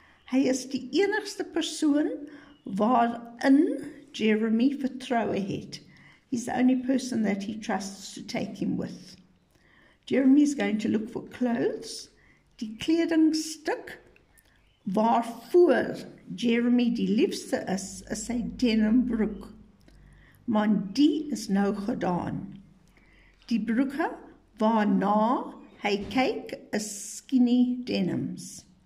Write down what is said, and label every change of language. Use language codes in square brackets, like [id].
[af] Hy is die enigste persoon waarin Jeremy vertroue het. [en] He's the only person that he trusts to take him with. Jeremy is going to look for clothes. [af] Die kledingstuk waarvoor Jeremy die liefste is, is sy denim broek. Maar die is nou gedaan. Die broeke waarna hy kyk is skinny denims.